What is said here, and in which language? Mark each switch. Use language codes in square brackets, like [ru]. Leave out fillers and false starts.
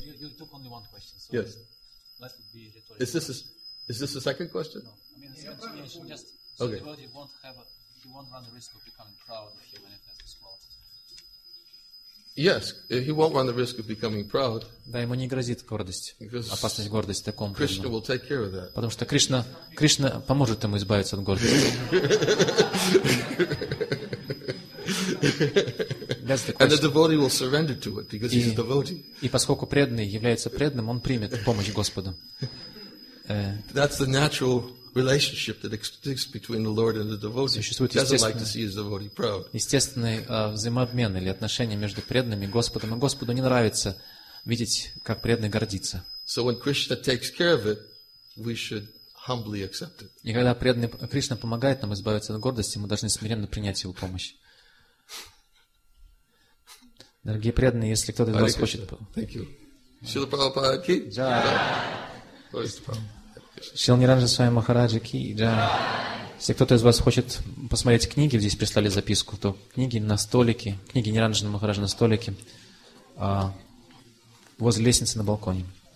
[en] You took only one question. So yes. That would be rhetorical. Is this a second question? No. I mean, it's a continuation. Just, so okay. The devotee won't have a... He won't run the risk of becoming proud if he manifests his qualities. Yes, he won't run the risk of becoming proud. [ru] Да, ему не грозит гордость, опасность гордости такому. [en] Krishna will take care of that. [ru] Потому что Кришна поможет ему избавиться от гордости. [en] That's the question. And the devotee will surrender to it because he's a devotee. [ru] И поскольку преданный является преданным, он примет помощь Господа. [en] That's the natural relationship that exists between the Lord and the devotee. He doesn't like to see his devotee proud. [ru] Естественный взаимообмен или отношение между преданными и Господом. И Господу не нравится видеть, как преданный гордится. [en] So when Krishna takes care of it, we should humbly accept it. [ru] И когда преданный Кришна помогает нам избавиться от гордости, мы должны смиренно принять его помощь. Дорогие преданные, если кто-то из вас хочет... [en] Thank you. Srila Prabhupada ki? [sa] Jaya. [en] What is the problem? [ru] Шрила Ниранджа с вами Махараджа ки джай. Если кто-то из вас хочет посмотреть книги, здесь прислали записку, то книги на столике, книги Ниранджа Махараджа на столике, возле лестницы на балконе.